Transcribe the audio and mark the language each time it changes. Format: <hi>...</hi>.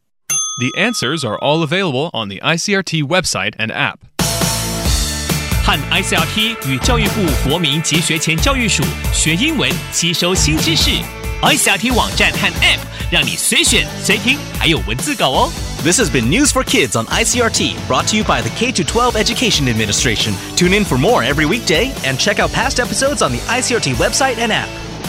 <en>The answers are all available on the ICRT website and app.</en> <zh>和 ICRT 与教育部国民及学前教育署学英文，吸收新知识。 iSLT 网站和 App， 让你随选随听，还有文字稿哦。</zh> <en>This has been News for Kids on ICRT, brought to you by the K-12 Education Administration. Tune in for more every weekday and check out past episodes on the ICRT website and app.</en>